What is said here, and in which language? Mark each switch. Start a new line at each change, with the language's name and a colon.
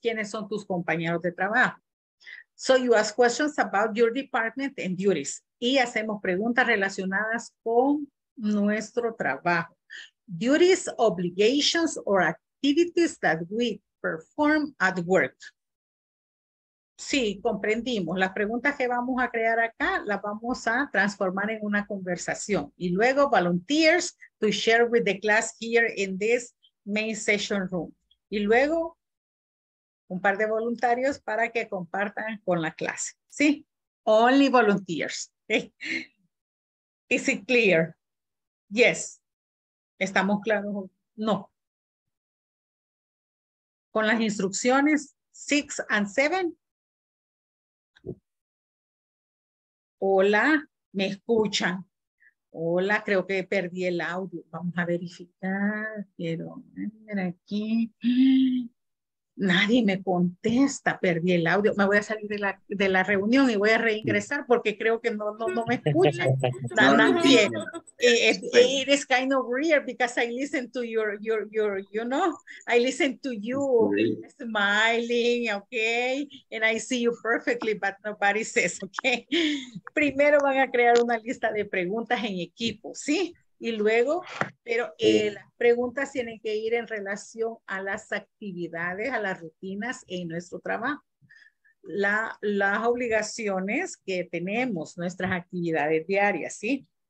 Spanish: ¿Quiénes son tus compañeros de trabajo?
English: So you ask questions about your department and duties.
Spanish: Y hacemos preguntas relacionadas con nuestro trabajo.
English: Duties, obligations, or activities that we perform at work.
Spanish: Sí, comprendimos. Las preguntas que vamos a crear acá las vamos a transformar en una conversación. Y luego,
English: volunteers to share with the class here in this main session room.
Spanish: Y luego, un par de voluntarios para que compartan con la clase.
English: ¿Sí? Only volunteers. Okay. Is it clear? Yes.
Spanish: ¿Estamos claros?
English: No.
Spanish: Con las instrucciones, 6 and 7. Hola, me escuchan. Hola, creo que perdí el audio. Vamos a verificar. Quiero ver aquí. Nadie me contesta. Perdí el audio. Me voy a salir de la reunión y voy a reingresar porque creo que no me escuchan. Nadie.
English: It is kind of weird because I listen to your you know, I listen to you smiling, okay? And I see you perfectly, but nobody says, okay?
Spanish: Primero van a crear una lista de preguntas en equipo, ¿sí? Y luego, pero las preguntas tienen que ir en relación a las actividades, a las rutinas en nuestro trabajo. Las obligaciones que tenemos, nuestras actividades diarias, ¿sí?